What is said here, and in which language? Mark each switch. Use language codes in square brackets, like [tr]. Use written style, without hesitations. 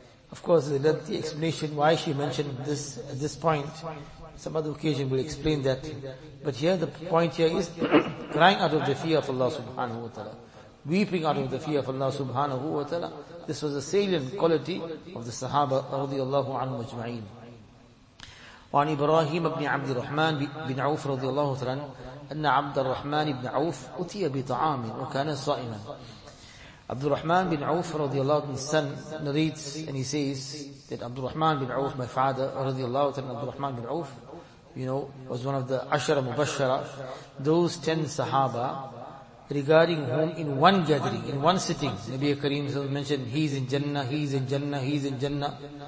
[en] Of course, the lengthy explanation why she mentioned this at this point, some other occasion will explain that. But here the point here is crying out of the fear of Allah subhanahu wa ta'ala, weeping out of the fear of Allah subhanahu wa ta'ala. This was a salient quality of the Sahaba radiallahu anhu ajma'in. [ar] وعن إبراهيم بن عبد الرحمن بن عوف رضي الله تعالى أن عبد الرحمن بن عوف أتي بطعام وكان صائما. [en] عبد الرحمن بن عوف رضي الله عنه son narrates and he says that عبد الرحمن بن عوف, my father رضي الله عنه, عبد الرحمن بن عوف, you know, was one of the عشرة مبشرة, those 10 صحابة regarding whom in one gathering, in one sitting, Nabi Kareem has mentioned he's in Jannah, he's in Jannah, he's in Jannah.